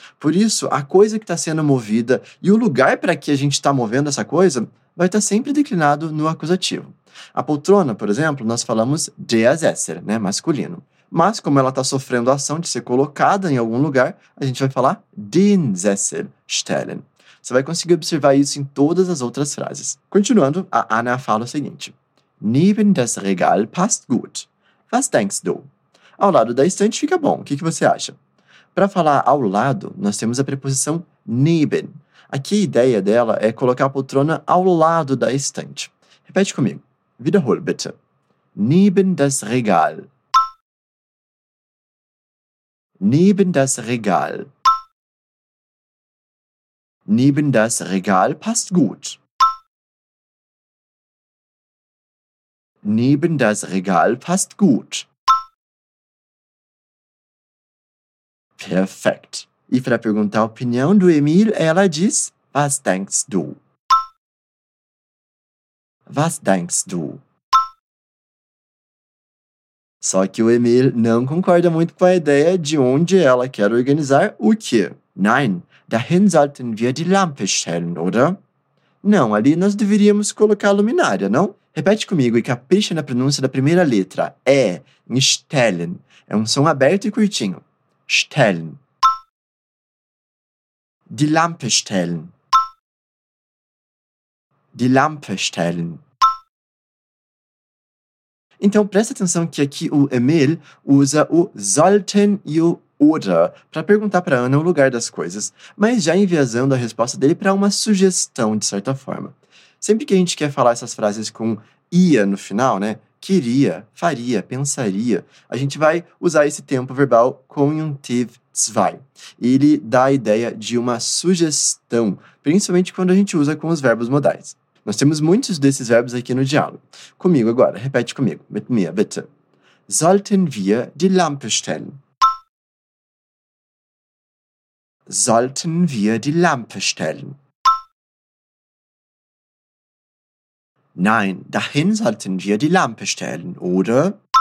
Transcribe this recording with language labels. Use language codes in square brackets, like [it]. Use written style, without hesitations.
[pt] Por isso, a coisa que está sendo movida e o lugar para que a gente está movendo essa coisa vai estar sempre declinado no acusativo. A poltrona, por exemplo, nós falamos der Sessel, né? Masculino. Mas como ela está sofrendo a ação de ser colocada em algum lugar, a gente vai falar [de] den Sessel stellen. [pt] Você vai conseguir observar isso em todas as outras frases. Continuando, a Anna fala o seguinte. [de] Neben das Regal passt gut. Was denkst du? [pt] Ao lado da estante fica bom. O que, que você acha? Para falar ao lado, nós temos a preposição [de] neben. [pt] Aqui a ideia dela é colocar a poltrona ao lado da estante. Repete comigo. [de] Wiederhol bitte. Neben das Regal. Neben das Regal. Neben das Regal passt gut. Neben das Regal passt gut. Perfekt. [pt] E para perguntar a opinião do Emil, ela diz, [de] was denkst du? Was denkst du? [pt] Só que o Emil não concorda muito com a ideia de onde ela quer organizar o quê. [de] Nein, dahin sollten wir die Lampe stellen, oder? [pt] Não, ali nós deveríamos colocar a luminária, não? Repete comigo e capricha na pronúncia da primeira letra. É, stellen. É um som aberto e curtinho. Stellen. [de] Die Lampe stellen. Die Lampe stellen. [pt] Então, presta atenção que aqui o Emil usa o sollten e o oder para perguntar para Ana o lugar das coisas, mas já enviesando a resposta dele para uma sugestão, de certa forma. Sempre que a gente quer falar essas frases com ia no final, né? Queria, faria, pensaria. A gente vai usar esse tempo verbal Konjunktiv 2. Ele dá a ideia de uma sugestão, principalmente quando a gente usa com os verbos modais. Nós temos muitos desses verbos aqui no diálogo. Comigo agora, repete comigo. [de] Mit mir, bitte. Sollten wir die Lampe stellen? Sollten wir die Lampe stellen? Nein, dahin sollten wir die Lampe stellen, oder?